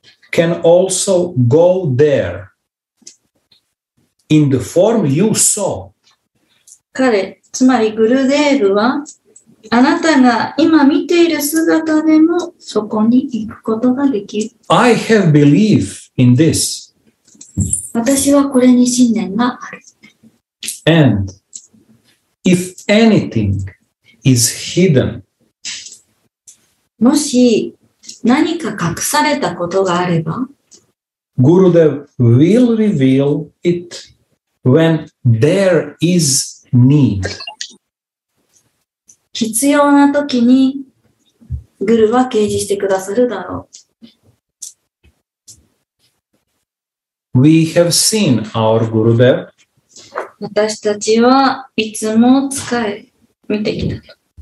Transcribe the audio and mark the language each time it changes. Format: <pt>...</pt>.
<en>Can also go there in the form you saw.</en> <ja>彼、つまりグルデーブは、あなたが今見ている姿でもそこに行くことができる。</ja> <en>I have belief in this.</en> <ja>私はこれに信念がある。</ja> <en>And if anything is hidden,</en> <ja>もし何か隠されたことがあれば、</ja> <en>Gurudev will reveal it when there is need.</en> <ja>必要な時にグルは掲示してくださるだろう。</ja> <en>We have seen our Gurudev.</en> <ja>私たちはいつも使い見てきた。</ja>